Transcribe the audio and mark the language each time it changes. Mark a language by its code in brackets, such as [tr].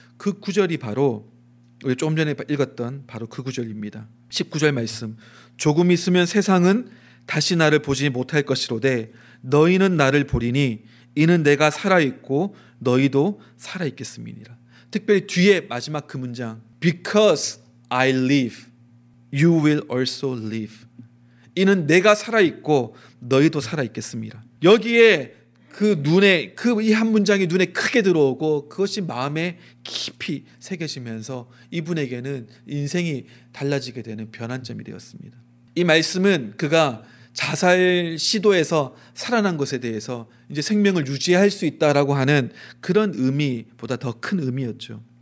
[ko] 그 구절이 바로 우리 조금 전에 읽었던 바로 그 구절입니다. 19절 말씀. 조금 있으면 세상은 다시 나를 보지 못할 것이로되 너희는 나를 보리니 이는 내가 살아있고 너희도 살아있겠음이니라. 특별히 뒤에 마지막 그 문장. [en] Because I live, you will also live. [ko] 이는 내가 살아있고 너희도 살아있겠습니다. 여기에 그 눈에 그 이 한 문장이 눈에 크게 들어오고 그것이 마음에 깊이 새겨지면서 이분에게는 인생이 달라지게 되는 변환점이 되었습니다. 이 말씀은 그가 자살 시도에서 살아난 것에 대해서 이제 생명을 유지할 수 있다라고 하는 그런 의미보다 더 큰 의미였죠.